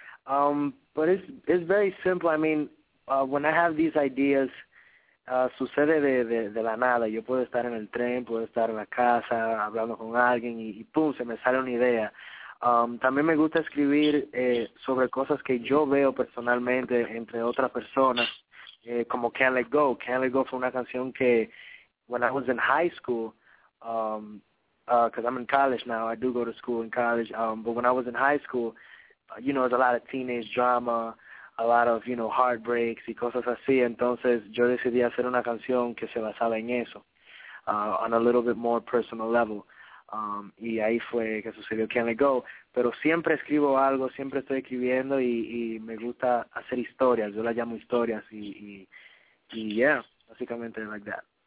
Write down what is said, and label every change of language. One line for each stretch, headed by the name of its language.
English: But it's very simple. I mean, when I have these ideas, sucede de la nada.
Spanish: Yo puedo estar en el tren, puedo estar en la casa hablando con alguien y ¡pum! Se me sale una idea. También me gusta escribir sobre cosas que yo veo personalmente entre otras personas, como Can't Let Go.
English: Can't Let Go fue una canción que, when I was in high school, because I'm in college now, I do go to school in college, but when I was in high school, you know, it's a lot of teenage drama, a lot of, you know, heartbreaks y cosas así.
Spanish: Entonces yo decidí hacer una canción que se basaba en eso, on a little bit more personal level. Y ahí fue que sucedió Can't Let Go. Pero siempre escribo algo, siempre estoy escribiendo y me gusta hacer historias. Yo las llamo historias y yeah, básicamente like that.